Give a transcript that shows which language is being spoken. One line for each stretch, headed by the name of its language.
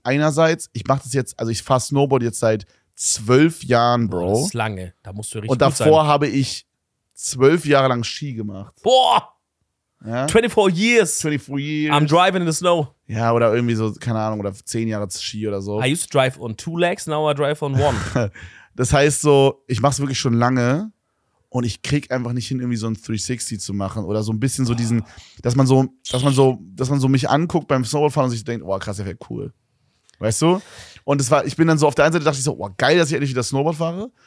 German: Einerseits, ich fahre Snowboard jetzt seit 12 Jahren, Bro. Boah, das ist lange, da musst du richtig und davor sein. Habe ich 12 Jahre lang Ski gemacht. Boah! Ja?
English: 24 years. I'm driving in the snow.
German: Ja, oder irgendwie so, keine Ahnung, oder 10 Jahre Ski oder so.
English: I used to drive on 2 legs, now I drive on 1.
German: Das heißt so, ich mach's wirklich schon lange. Und ich krieg einfach nicht hin, irgendwie so ein 360 zu machen oder so ein bisschen so diesen, dass man so mich anguckt beim Snowboardfahren und sich denkt, oh krass, der fährt cool. Weißt du? Und ich bin dann so, auf der einen Seite dachte ich so, oh geil, dass ich endlich wieder Snowboard fahre.